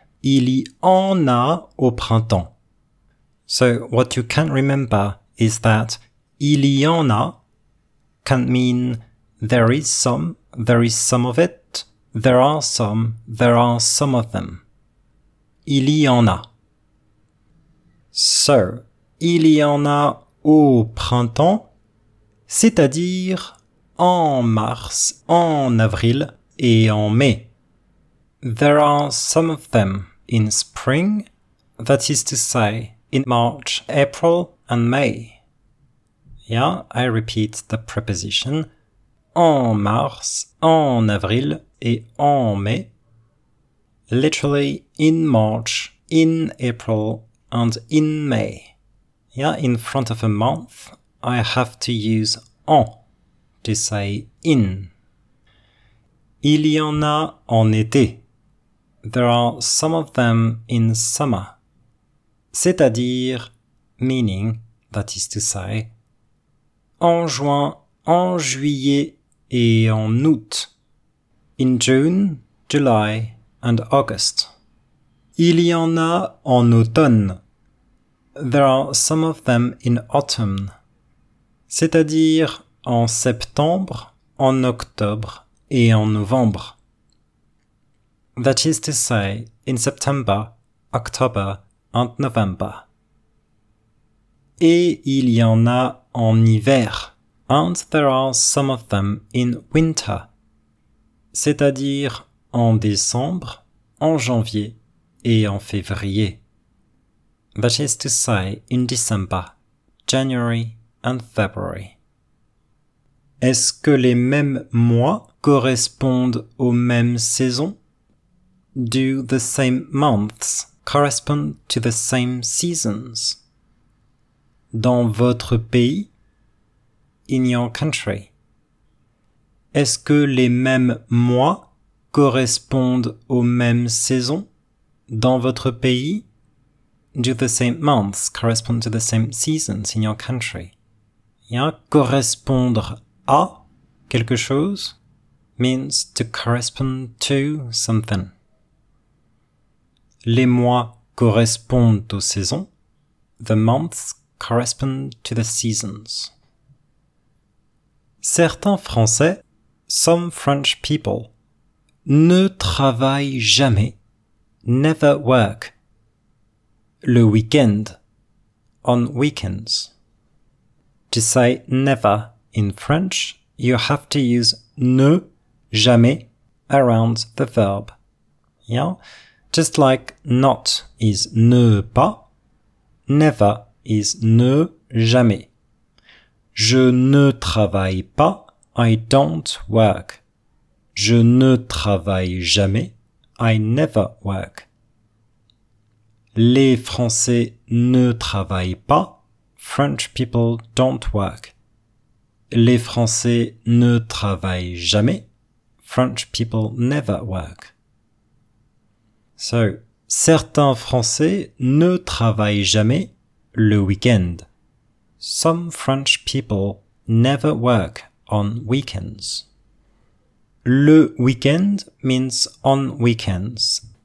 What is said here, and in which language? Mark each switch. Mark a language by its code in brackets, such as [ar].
[fr] Il y en a au printemps. [en] So what you can remember is that [fr] il y en a [en] can mean there is some of it, there are some of them. [fr] Il y en a. So, il y en a au printemps, c'est-à-dire en mars, en avril et en mai. [en] There are some of them in spring, that is to say, in March, April and May. Yeah, I repeat the preposition. [fr] En mars, en avril et en mai. [en] Literally, in March, in April and in May. Yeah, in front of a month, I have to use en to say in. [fr] Il y en a en été. [en] There are some of them in summer. [fr] C'est-à-dire, [en] meaning, that is to say, [fr] en juin, en juillet et en août. [en] In June, July and August. [fr] Il y en a en automne. [en] There are some of them in autumn. [fr] C'est-à-dire en septembre, en octobre et en novembre. [en] That is to say, in September, October and November. [fr] Et il y en a en hiver. [en] And there are some of them in winter. [fr] C'est-à-dire en décembre, en janvier et en février. [en] That is to say, in December, January and February. [fr] Est-ce que les mêmes mois correspondent aux mêmes saisons? [en] Do the same months correspond to the same seasons? [fr] Dans votre pays? [en] In your country. [fr] Est-ce que les mêmes mois correspondent aux mêmes saisons? Dans votre pays? [en] Do the same months correspond to the same seasons in your country? [fr] Yeah, correspondre à quelque chose [en] means to correspond to something. [fr] Les mois correspondent aux saisons. [en] The months correspond to the seasons. [fr] Certains Français, [en] some French people, [fr] ne travaillent jamais, [en] never work, [fr] le week-end, [en] on weekends. To say never in French, you have to use ne, jamais, around the verb. Yeah? Just like not is ne pas, never is ne jamais. [fr] Je ne travaille pas, [en] I don't work. [fr] Je ne travaille jamais, [en] I never work. [fr] Les Français ne travaillent pas, [en] French people don't work. [fr] Les Français ne travaillent jamais, [en] French people never work. [fr] So, certains Français ne travaillent jamais le week-end. [en] Some French people never work on weekends. Le week-end means on weekends.